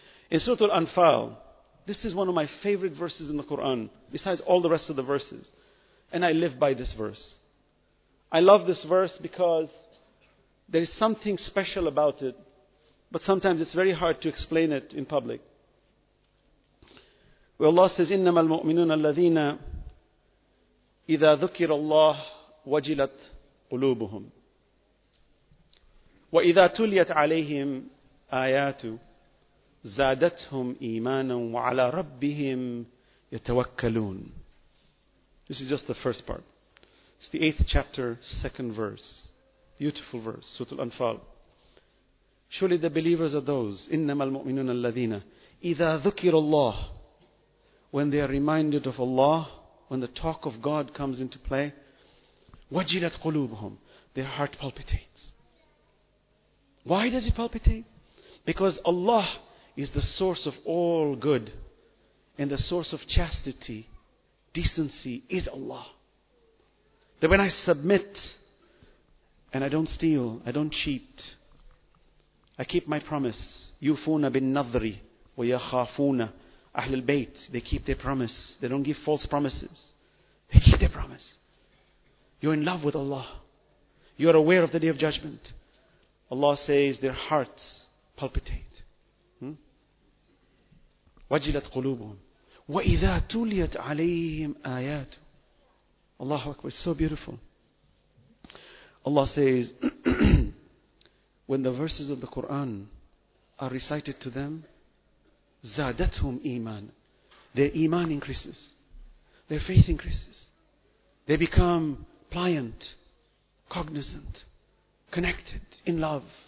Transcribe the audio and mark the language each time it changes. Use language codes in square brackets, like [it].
[en] In Surah Al-Anfal, this is one of my favorite verses in the Quran, besides all the rest of the verses. And I live by this verse. I love this verse because there is something special about it, but sometimes it's very hard to explain it in public. Where Allah says, [ar] إِنَّمَا الْمُؤْمِنُونَ الَّذِينَ إِذَا ذُكِرَ اللَّهُ وَجِلَتْ قُلُوبُهُمْ وَإِذَا تُلِيَتْ عَلَيْهِمْ آيَاتُ زَادَتْهُمْ إِيمَانًا وَعَلَى رَبِّهِمْ يَتَوَكَّلُونَ [en] This is just the first part. It's the 8th chapter, 2nd verse. Beautiful verse, Surah Al-Anfal. Surely the believers are those, [ar] إِنَّمَا الْمُؤْمِنُونَ الَّذِينَ إِذَا ذُكِرُ اللَّهِ [en] When they are reminded of Allah, when the talk of God comes into play, [ar] وَجِلَتْ قُلُوبُهُمْ [en] Their heart palpitates. Why does it palpitate? Because Allah is the source of all good and the source of chastity. Decency is Allah. That when I submit and I don't steal, I don't cheat, I keep my promise. [ar] يُوفُونَ بِالنَّظْرِ وَيَخَافُونَ أَهْلِ الْبَيْتِ [en] They keep their promise. They don't give false promises. They keep their promise. You're in love with Allah. You're aware of the Day of Judgment. Allah says their hearts palpitate. [ar] وَجِلَتْ قُلُوبُهُمْ وَإِذَا تُلِيَتْ عَلَيْهِمْ آيَاتُ Allahu Akbar, [en] so beautiful. Allah says, when the verses of the Quran are recited to them, [ar] زادتهم إيمان. [en] Their iman increases. Their faith increases. They become pliant, cognizant, connected, in love.